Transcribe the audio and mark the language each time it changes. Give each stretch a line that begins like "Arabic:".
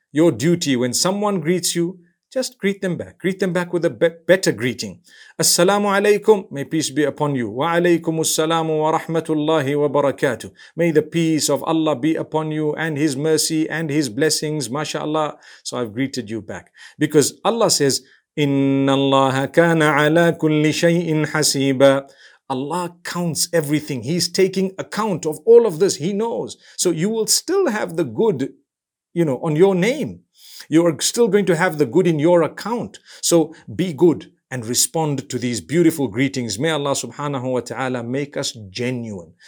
English: Your duty, when someone greets you, just greet them back. Greet them back with a better greeting.
Arabic: Assalamu alaikum,
English: may peace be upon you.
Arabic: Wa alaikum assalamu wa rahmatullahi wa barakatuh.
English: May the peace of Allah be upon you and His mercy and His blessings, mashallah. So I've greeted you back. Because Allah says,
Arabic: إِنَّ اللَّهَ كَانَ عَلَىٰ كُلِّ شَيْءٍ حَسِيبًا.
English: Allah counts everything. He's taking account of all of this. He knows. So you will still have the good, you know, on your name. You are still going to have the good in your account. So be good. and respond to these beautiful greetings. May Allah subhanahu wa ta'ala make us genuine.